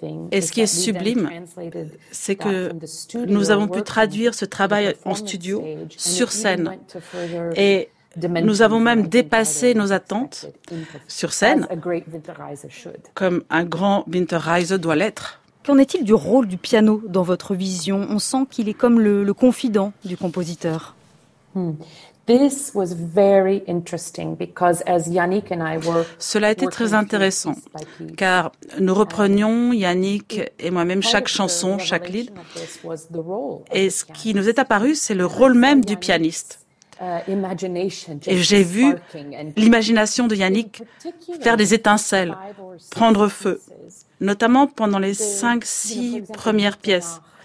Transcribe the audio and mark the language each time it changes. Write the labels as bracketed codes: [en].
[fr] Et ce qui est sublime, c'est que nous avons pu traduire ce travail en studio, sur scène. Et nous avons même dépassé nos attentes sur scène, comme un grand Winterreise doit l'être. Qu'en est-il du rôle du piano dans votre vision? On sent qu'il est comme le confident du compositeur. [en] This was very interesting because as Yannick and I were. [fr] Cela a été très intéressant, car nous reprenions Yannick et moi-même chaque chanson, chaque lead. Et ce qui nous est apparu, c'est le rôle même du pianiste. Et j'ai vu l'imagination de Yannick faire des étincelles, prendre feu, notamment pendant les 5-6 premières pièces.